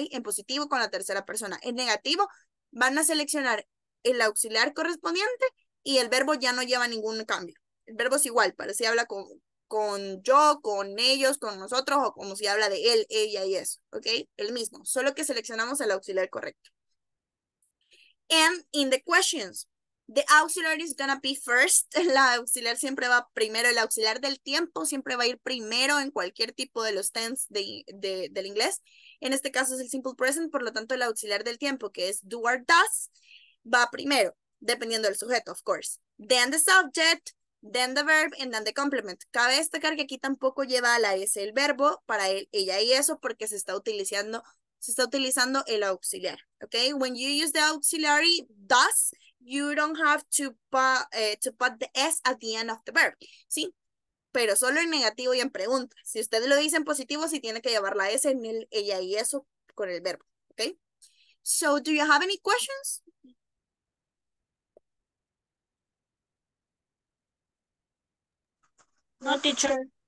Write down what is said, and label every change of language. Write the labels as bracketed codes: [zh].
[es] En positivo con la tercera persona. En negativo, van a seleccionar el auxiliar correspondiente y el verbo ya no lleva ningún cambio. El verbo es igual, pero si habla con yo, con ellos, con nosotros, o como si habla de él, ella y eso. ¿Ok? El mismo, solo que seleccionamos el auxiliar correcto. [en] And in the questions, the auxiliar is gonna be first. [es] La auxiliar siempre va primero, el auxiliar del tiempo siempre va a ir primero en cualquier tipo de los tense del inglés. En este caso es el simple present, por lo tanto el auxiliar del tiempo, que es do or does, va primero, dependiendo del sujeto, [en] of course. Then the subject, then the verb, and then the complement. [es] Cabe destacar que aquí tampoco lleva a la S el verbo para él, ella y eso, porque se está utilizando el auxiliar. [en] Okay? When you use the auxiliary does, you don't have to put the S at the end of the verb. [es] ¿Sí? Pero solo en negativo y en pregunta. Si usted lo dice en positivo, sí tiene que llevar la S en el ella y eso con el verbo. [en] Okay? So, do you have any questions? No, teacher.